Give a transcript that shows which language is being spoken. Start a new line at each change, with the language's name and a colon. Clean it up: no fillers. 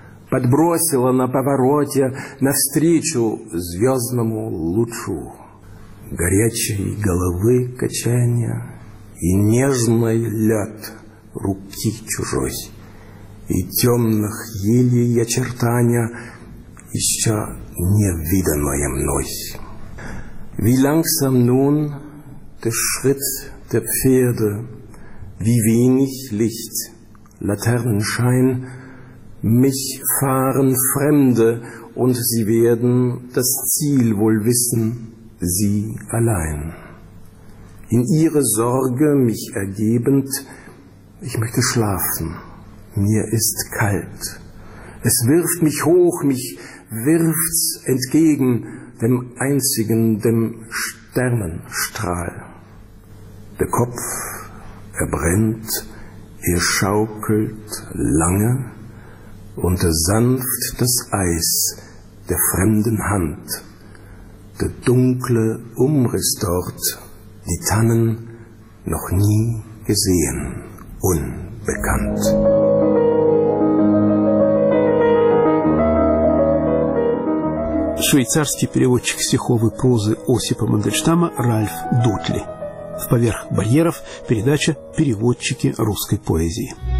Russian: Подбросила на повороте навстречу звездному лучу. Горячей головы качанья и нежный лед руки чужой. И темных елей очертания еще не виданное мной.
German: Wie langsam nun der Schritt der Pferde, wie wenig Licht, Laternenschein, mich fahren Fremde, und sie werden das Ziel wohl wissen, sie allein. In ihre Sorge mich ergebend, ich möchte schlafen, mir ist kalt. Es wirft mich hoch, mich wirft's entgegen, dem einzigen, dem Sternenstrahl. Der Kopf, er brennt, er schaukelt lange, und sanft das Eis der fremden Hand, der dunkle Umriss dort, die Tannen noch nie gesehen, unbekannt.
Russian: Швейцарский переводчик стихов и прозы Осипа Мандельштама Ральф Дотли. В «Поверх барьеров» передача «Переводчики русской поэзии».